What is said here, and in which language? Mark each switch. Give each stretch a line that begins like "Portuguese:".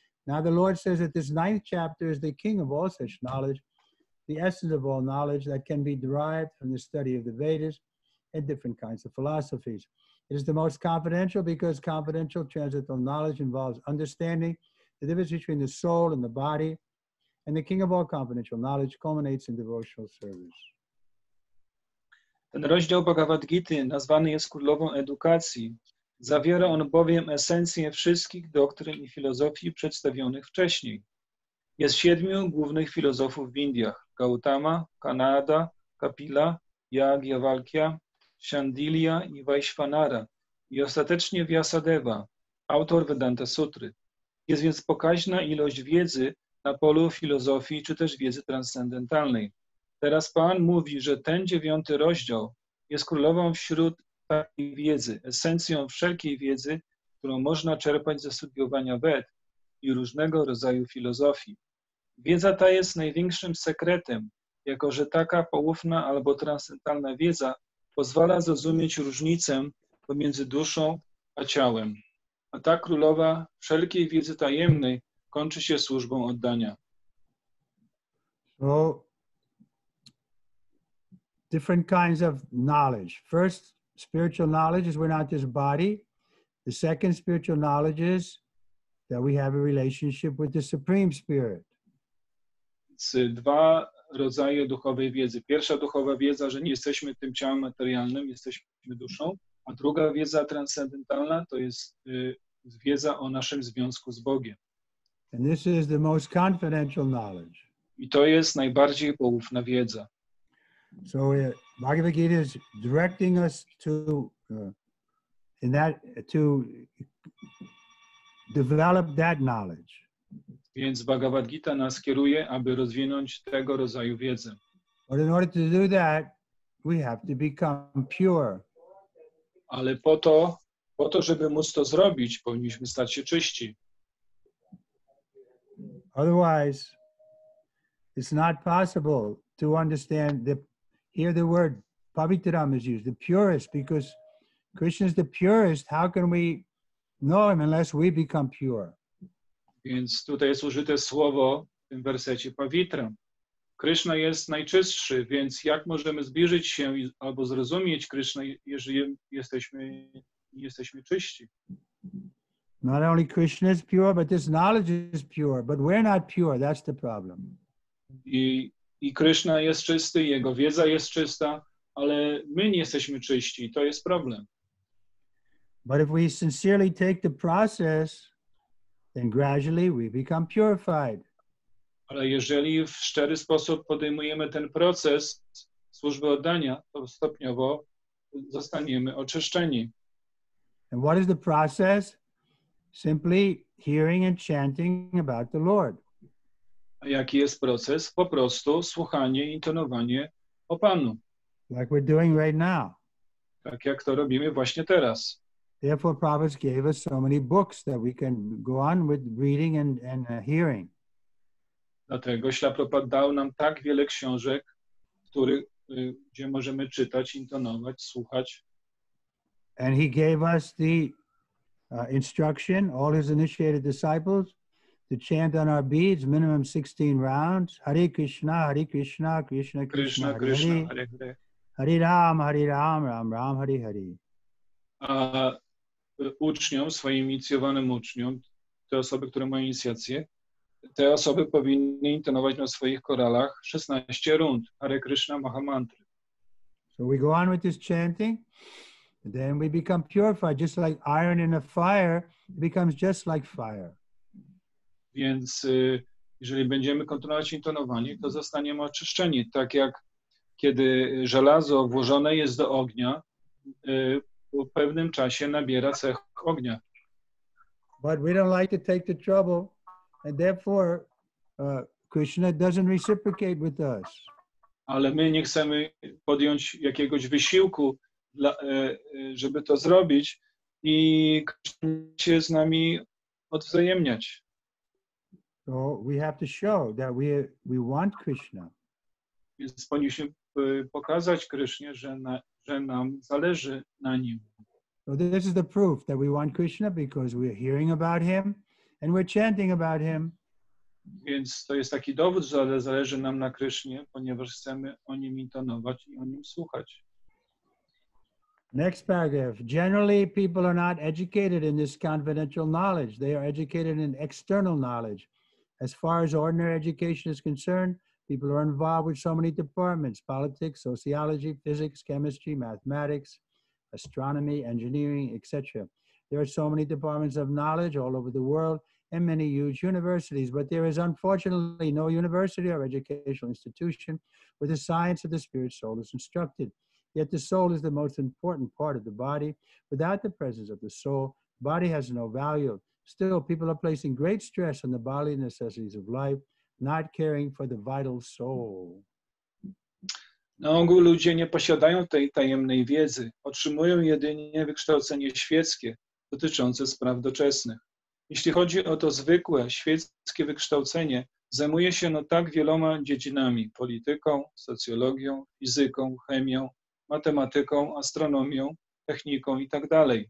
English: Now the Lord says that this ninth chapter is the king of all such knowledge, the essence of all knowledge that can be derived from the study of the Vedas and different kinds of philosophies. It is the most confidential because confidential transcendental knowledge involves understanding the difference between the soul and the body, and the king of all confidential knowledge culminates in devotional service.
Polish: Ten rozdział Bhagavad Gita nazwany jest Królową Edukacji. Zawiera on bowiem esencję wszystkich doktryn i filozofii przedstawionych wcześniej. Jest siedmiu głównych filozofów w Indiach: Gautama, Kanada, Kapila, Yajnavalkya, Sandilya i Vaishvanara i ostatecznie Vyasadeva, autor Vedanta Sutry. Jest więc pokaźna ilość wiedzy na polu filozofii czy też wiedzy transcendentalnej. Teraz Pan mówi, że ten dziewiąty rozdział jest królową wśród wiedzy, esencją wszelkiej wiedzy którą można czerpać ze studiowania Wed i różnego rodzaju filozofii. Wiedza ta jest największym sekretem, jako że taka poufna albo transcendentalna wiedza pozwala zrozumieć różnicę pomiędzy duszą a ciałem. A ta królowa wszelkiej wiedzy tajemnej kończy się służbą oddania.
English: So, different kinds of knowledge. First, spiritual knowledge is we're not this body. The second spiritual knowledge is that we have a relationship with the Supreme Spirit.
Polish: Dwa rodzaje duchowej wiedzy. Pierwsza duchowa wiedza, że nie jesteśmy tym ciałem materialnym, jesteśmy duszą. A druga wiedza transcendentalna to jest wiedza o naszym związku z Bogiem.
English: And this is the most confidential knowledge.
Polish: I to jest najbardziej poufna wiedza.
English: So Bhagavad Gita is directing us to in that to develop that knowledge.
Polish: Więc Bhagavad Gita nas kieruje, aby rozwinąć tego rodzaju wiedzę.
English: But in order to do that, we have to become pure.
Polish: Ale po to, żeby móc to zrobić, powinniśmy stać się czyści.
English: Otherwise, it's not possible to understand the here the word pavitram is used, the purest, because Krishna is the purest. How can we know him unless we become pure?
Polish: Więc tutaj jest użyte słowo w tym wersecie pavitram. Krishna jest najczystszy, więc jak możemy zbliżyć się albo zrozumieć Krishna, jeżeli jesteśmy czyści?
English: Not only Krishna is pure, but this knowledge is pure, but we're not pure, that's the problem.
Polish: I Krishna jest czysty, jego wiedza jest czysta, ale my nie jesteśmy czyści, to jest problem.
English: But if we sincerely take the process, then gradually we become purified.
Polish: Ale jeżeli w szczery sposób podejmujemy ten proces służby oddania, to stopniowo zostaniemy oczyszczeni.
English: And what is the process? Simply hearing and chanting about the Lord.
Polish: A jaki jest proces? Po prostu słuchanie i intonowanie o Panu.
English: Like we're doing right now.
Polish: Tak jak to robimy właśnie teraz.
English: Therefore, Prabhupada gave us so many books that we can go on with reading and hearing.
Polish: Dlatego Śla Prabhupada dał nam tak wiele książek, gdzie możemy czytać, intonować, słuchać.
English: And he gave us the instruction, all his initiated disciples, to chant on our beads, minimum 16 rounds.
Sanskrit: Hare Krishna, Krishna, Krishna, Krishna, Krishna, Hare Hare. Hare Ram, Ram, Ram, Hare Hare.
Polish: A uczniom, swoim inicjowanym uczniom, te osoby, które mają inicjację, te osoby powinny intonować na swoich koralach 16 rund.
Sanskrit: Hare Krishna, Mahamantra.
English: So we go on with this chanting, then we become purified, just like iron in a fire, it becomes just like fire.
Polish: Więc jeżeli będziemy kontynuować intonowanie, to zostaniemy oczyszczeni. Tak jak kiedy żelazo włożone jest do ognia, po pewnym czasie nabiera cech ognia.
English: But we don't like to take the trouble, and therefore Krishna doesn't reciprocate with us.
Polish: Ale my nie chcemy podjąć jakiegoś wysiłku, żeby to zrobić, i Krishna się z nami odwzajemniać.
English: So we have to show that we want Krishna.
Polish: Więc powinniśmy pokazać Krishnie, że nam zależy na nim.
English: So this is the proof that we want Krishna because we're hearing about him and we're chanting about him.
Polish: Więc to jest taki dowód, że zależy nam na Krishnie, ponieważ chcemy o nim intonować i o nim słuchać.
English: Next paragraph. Generally, people are not educated in this confidential knowledge. They are educated in external knowledge. As far as ordinary education is concerned, people are involved with so many departments: politics, sociology, physics, chemistry, mathematics, astronomy, engineering, etc. There are so many departments of knowledge all over the world and many huge universities, but there is unfortunately no university or educational institution where the science of the spirit soul is instructed. Yet the soul is the most important part of the body. Without the presence of the soul, the body has no value. Still, people are placing great stress on the bodily necessities of life, not caring for the vital soul.
Polish: Na ogół ludzie nie posiadają tej tajemnej wiedzy. Otrzymują jedynie wykształcenie świeckie. dotyczące spraw doczesnych. Jeśli chodzi o to zwykłe, świeckie wykształcenie, zajmuje się ono tak wieloma dziedzinami: polityką, socjologią, fizyką, chemią, matematyką, astronomią, techniką itd.